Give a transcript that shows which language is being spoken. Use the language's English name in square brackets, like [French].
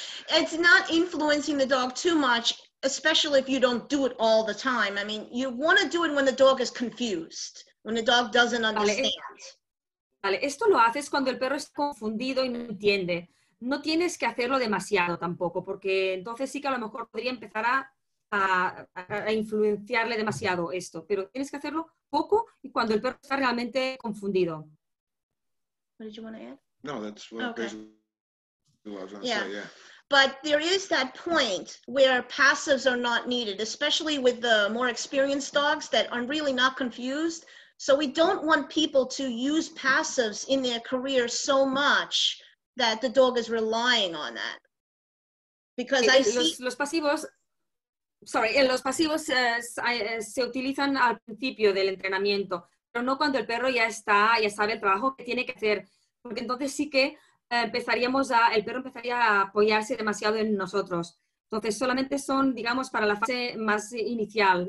[English] It's not influencing the dog too much, especially if you don't do it all the time. I mean, you want to do it when the dog is confused, when the dog doesn't understand. [Spanish] Vale, esto lo haces cuando el perro está confundido y no entiende. No tienes que hacerlo demasiado tampoco, porque entonces sí que a lo mejor podría empezar a influenciarle demasiado esto. Pero tienes que hacerlo poco y cuando el perro está realmente confundido. [English] What did you want to add? No, that's what, okay. Basically what I was going to say, yeah. But there is that point where passives are not needed, especially with the more experienced dogs that are really not confused. So we don't want people to use passives in their career so much that the dog is relying on that. Because I see... [Spanish] Los pasivos se utilizan al principio del entrenamiento, pero no cuando el perro ya sabe el trabajo que tiene que hacer. Porque entonces sí que el perro empezaría a apoyarse demasiado en nosotros. Entonces solamente son, digamos, para la fase más inicial.